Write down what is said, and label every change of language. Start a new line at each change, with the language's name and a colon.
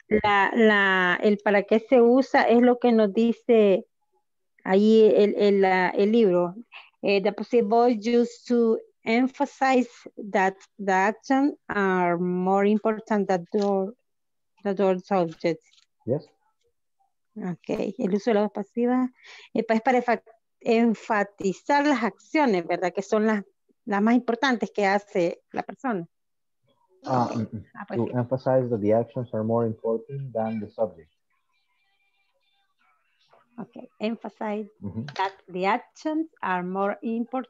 Spanish: El para qué se usa es lo que nos dice ahí el libro.
English: The possible use to emphasize that the actions are more important than the subject. Yes. Okay.
Spanish: El uso de la voz pasiva es para enfatizar las acciones, ¿verdad? Que son las más importantes que hace la persona.
English: To emphasize that the actions are more important than the subject. Okay, emphasize that the actions are more important.